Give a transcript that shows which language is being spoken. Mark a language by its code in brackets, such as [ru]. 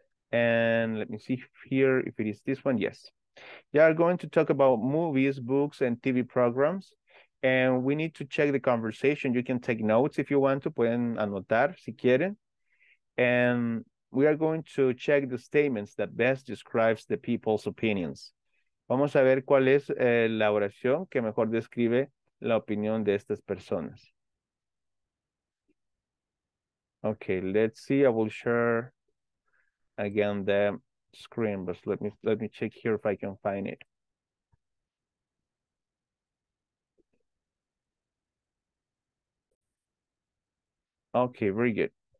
[en] And let me see here if it is this one. Yes. They are going to talk about movies, books, and TV programs. And we need to check the conversation. You can take notes if you want to. [es] Pueden anotar si quieren. [en] And we are going to check the statements that best describes the people's opinions. [es] Vamos a ver cuál es la oración que mejor describe la opinión de estas personas. [en] Okay, let's see. I will share again the screen, but let me check here if I can find it. Okay, very good.